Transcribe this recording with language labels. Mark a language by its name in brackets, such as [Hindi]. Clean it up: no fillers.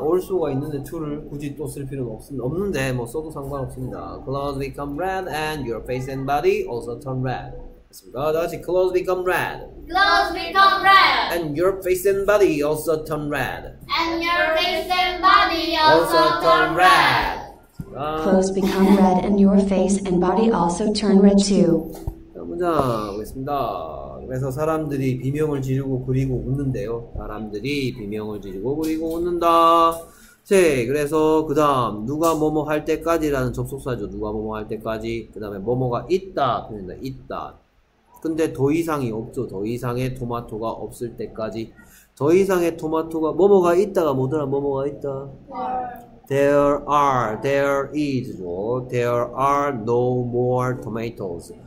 [Korean] 올 수가 있는데 to를 굳이 또 쓸 필요는 없는데 뭐 써도 상관없습니다. [English] Clothes become red and your face and body also turn red. [Korean] 됐습니까? 다시 [English] clothes become red. Clothes become red. And your face and body also turn red. And your face and body also turn red. Clothes become red and your face and body also turn red too. [Korean] 자, 문장 보겠습니다. 그래서 사람들이 비명을 지르고 그리고 웃는데요. 사람들이 비명을 지르고 그리고 웃는다. 네, 그래서 그 다음 누가 뭐뭐 할 때까지라는 접속사죠. 누가 뭐뭐 할 때까지. 그 다음에 뭐뭐가 있다. 표현한다. 있다. 근데 더 이상이 없죠. 더 이상의 토마토가 없을 때까지. 더 이상의 토마토가 뭐뭐가 있다가 뭐더라. 뭐뭐가 있다. [English] There are, there is, there are no more tomatoes.